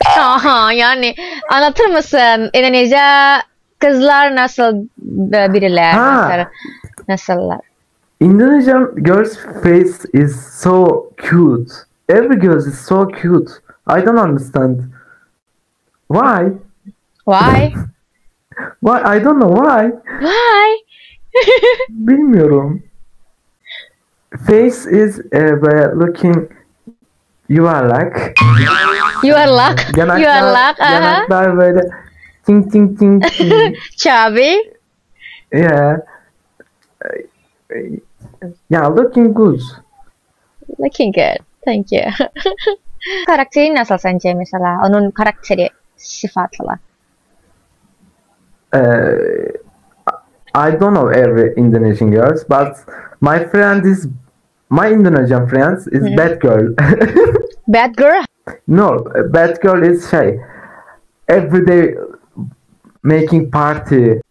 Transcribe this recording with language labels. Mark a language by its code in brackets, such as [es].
[tr] Aha, yani anlatır mısın Indonesia kızlar nasıl biriler? Nasıllar? [en] Indonesian girls' face is so cute. Every girl is so cute. I don't understand. Why? Why? Why? I don't know why. Why? [tr] Bilmiyorum. [en] Face is looking yuvarlak. [tr] Yuvarlak. Yuvarlak. Yanaklar böyle ting ting ting ting. [en] Chubby. Yeah. Yeah, looking good. Looking good. Thank you. [tr] Karakteri nasıl sence mesela? Onun karakteri sıfatlar. [en] I don't know every Indonesian girls, but my friend is my Indonesian friends is bad girl. Bad girl? No, bad girl is shy. Every day making party.